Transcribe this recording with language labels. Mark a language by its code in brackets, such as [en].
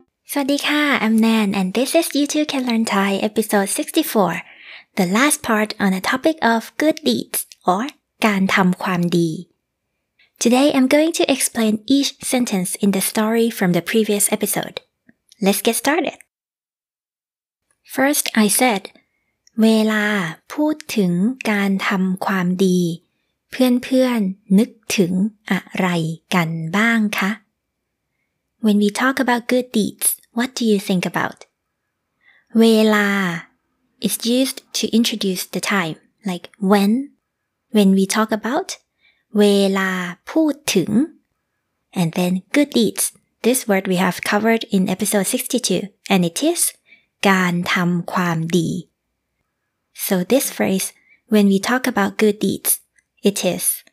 [th] สวัสดีค่ะ [en] I'm Nan and this is You Too Can Learn Thai episode 64 the last part on the topic of good deeds or [th] การทำความดี [en] Today I'm going to explain each sentence in the story from the previous episode. Let's get started. First, I said [th] เวลาพูดถึงการทำความดีเพื่อนๆนึกถึงอะไรกันบ้างคะ [en] When we talk about good deeds,What do you think about? เวลา is used to introduce the time, like when we talk about, [th] เวลาพูดถึง [en] and then good deeds, this word we have covered in episode 62, and it is [th] การทำความดี [en] So this phrase, when we talk about good deeds, it is